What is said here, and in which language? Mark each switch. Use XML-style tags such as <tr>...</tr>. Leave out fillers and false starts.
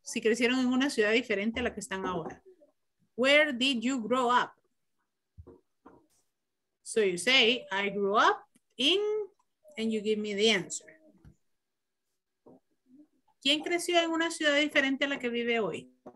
<es>Si crecieron en una ciudad diferente a la que están ahora.</es> <en>Where did you grow up? So you say, I grew up in, and you give me the answer.</en> <es>¿Quién creció en una ciudad diferente a la que vive hoy?</es>